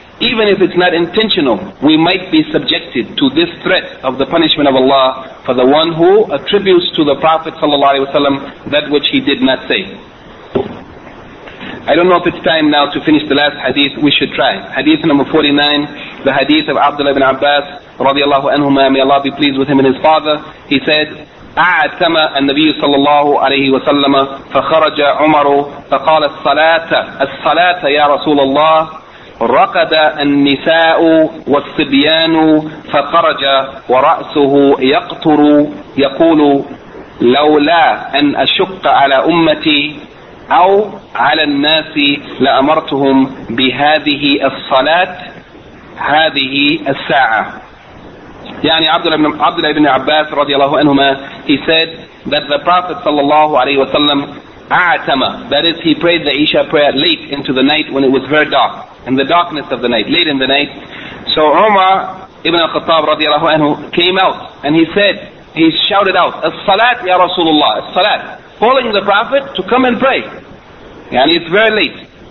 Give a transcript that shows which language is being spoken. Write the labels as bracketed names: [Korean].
[English] Even if it's not intentional, we might be subjected to this threat of the punishment of Allah for the one who attributes to the Prophet ﷺ that which he did not say. I don't know if it's time now to finish the last hadith. We should try. Hadith number 49, the hadith of Abdullah ibn Abbas radiallahu anhuma, may Allah be pleased with him and his father. He said, [Arabic] أعتم النبي صلى الله عليه وسلم فخرج عمر فقال الصلاة الصلاة يا رسول الله رقد النساء والصبيان فخرج ورأسه يقطر يقول لولا أن أشق على أمتي أو على الناس لأمرتهم بهذه الصلاة هذه الساعة. يعني عبد الله بن عباس رضي الله عنهما, [English] he said that the Prophet صلى الله عليه وسلم أعتم, that is, he prayed the Isha prayer late into the night when it was very dark, in the darkness of the night, late in the night. So Umar ibn al-Khattab رضي الله عنه came out and he shouted out [Arabic] الصلاة يا رسول الله, الصلاة, [English] calling the Prophet to come and pray. And it's very late.